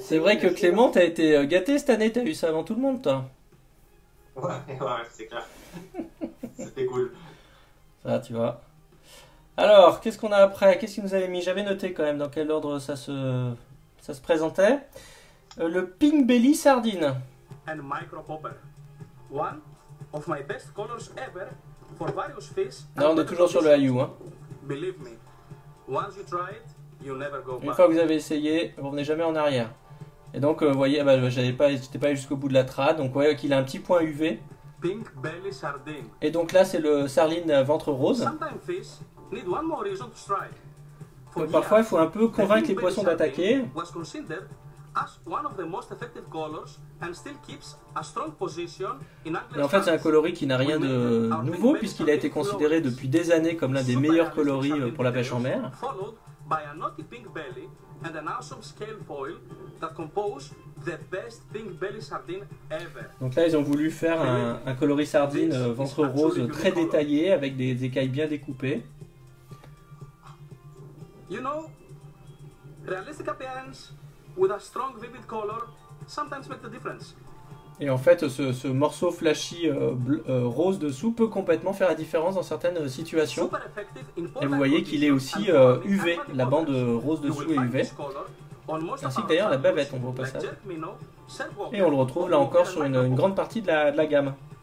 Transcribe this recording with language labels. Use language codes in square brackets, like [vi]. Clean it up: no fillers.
[fr] C'est vrai que Clément, t'as été gâté cette année, t'as eu ça avant tout le monde, toi. Ouais, c'est clair. C'était cool. Ça, tu vois. Alors, qu'est-ce qu'on a après? Qu'est-ce qu'ils nous avaient mis? J'avais noté quand même dans quel ordre ça se présentait. Le Pink Belly Sardine. [en] And Micro Popper. One of my best colors ever for various fish. [fr] Là, on est toujours sur le IU. Hein. [en] Believe me, once you try it, you never go back. [fr] Une fois que vous avez essayé, vous revenez jamais en arrière. Et donc, vous voyez, bah, j'étais pas jusqu'au bout de la trad. Donc, vous voyez qu'il a un petit point UV. [en] Pink Belly Sardine. [fr] Et donc là, c'est le Sardine ventre rose. [en] Sometimes fish need one more reason to strike. [fr] Donc, parfois, il faut un peu convaincre les poissons d'attaquer. [en] Was considered as one of the most effective colors and still keeps a strong position in Angler. [fr] En fait, c'est un coloris qui n'a rien de nouveau puisqu'il a été considéré depuis des années comme l'un des meilleurs coloris pour la pêche en mer. [en] Followed by a naughty pink belly and an awesome scale foil that compose the best pink belly sardine ever. [fr] Donc là, ils ont voulu faire un coloris sardine ventre rose très détaillé avec des écailles bien découpées. [en] You know, realistic appearance with a strong vivid color sometimes make the difference. [fr] Et en fait, ce morceau flashy rose dessous peut complètement faire la différence dans certaines situations. [en] Super effective in [fr] et vous voyez qu'il est aussi UV, la bande rose dessous est UV. Ainsi que d'ailleurs la bavette, on voit au passage. Et on le retrouve là encore sur une grande partie de la gamme.